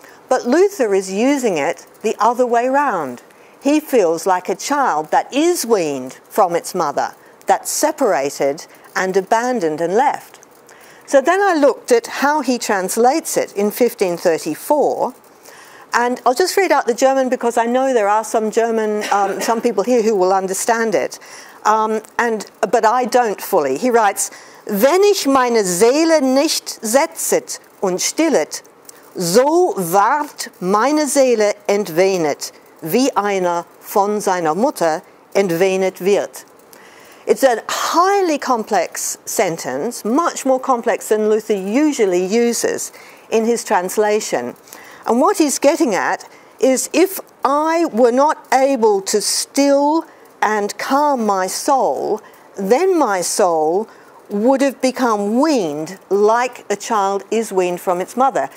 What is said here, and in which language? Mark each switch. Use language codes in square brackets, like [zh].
[en] But Luther is using it the other way round. He feels like a child that is weaned from its mother, that's separated and abandoned and left. So then I looked at how he translates it in 1534. And I'll just read out the German, because I know there are some German, some people here who will understand it. But I don't fully. He writes, [de] Wenn ich meine Seele nicht setzet und stillet, so ward meine Seele entwehnet, wie einer von seiner Mutter entwehnet wird. [en] It's a highly complex sentence, much more complex than Luther usually uses in his translation. And what he's getting at is, if I were not able to still and calm my soul, then my soul would have become weaned like a child is weaned from its mother.